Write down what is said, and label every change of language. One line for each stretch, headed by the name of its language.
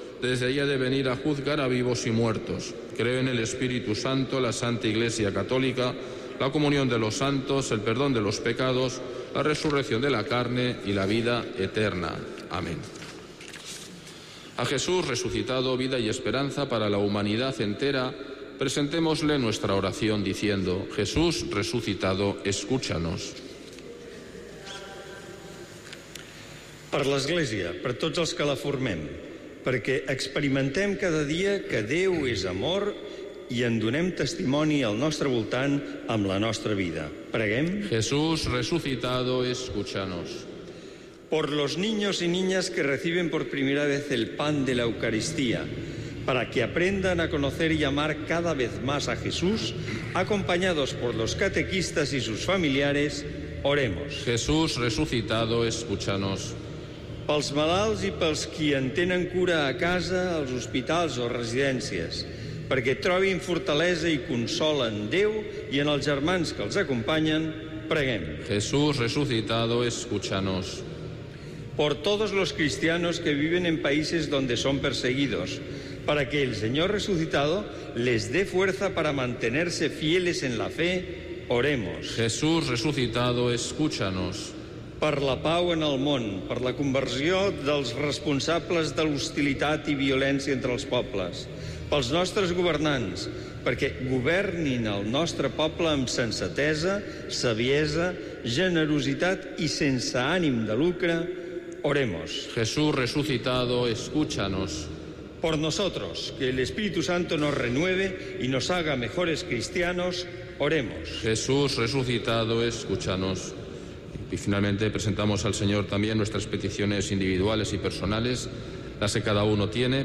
Spanish: Desde allí ha de venir a juzgar a vivos y muertos. Creo en el Espíritu Santo, la Santa Iglesia Católica, la comunión de los santos, el perdón de los pecados, la resurrección de la carne y la vida eterna. Amén. A Jesús resucitado, vida y esperanza para la humanidad entera, presentémosle nuestra oración diciendo: Jesús resucitado, escúchanos.
Catalan: Per l'Església, per tots els que la formem, perquè experimentem cada dia que Déu és amor i en donem testimoni al nostre voltant amb la nostra vida. Preguem.
Spanish: Jesús resucitado, escúchanos. Por los niños y niñas que reciben por primera vez el pan de la Eucaristía, para que aprendan a conocer y amar cada vez más a Jesús, acompañados por los catequistas y sus familiares, oremos. Jesús resucitado, escúchanos.
Catalan: Pels malalts i pels qui en tenen cura a casa, als hospitals o residències, perquè trobin fortalesa i consol en Déu i en els germans que els acompanyen, preguem.
Spanish: Jesús resucitado, escúchanos. Por todos los cristianos que viven en países donde son perseguidos, para que el Señor resucitado les dé fuerza para mantenerse fieles en la fe, oremos. Jesús resucitado, escúchanos.
Catalan: Per la pau en el món, per la conversió dels responsables de l'hostilitat i violència entre els pobles, pels nostres governants, perquè governin el nostre poble amb sensatesa, saviesa, generositat i sense ànim de lucre, oremos.
Spanish: Jesús resucitado, escúchanos. Por nosotros, que el Espíritu Santo nos renueve y nos haga mejores cristianos, oremos. Jesús resucitado, escúchanos. Y finalmente presentamos al Señor también nuestras peticiones individuales y personales, las que cada uno tiene.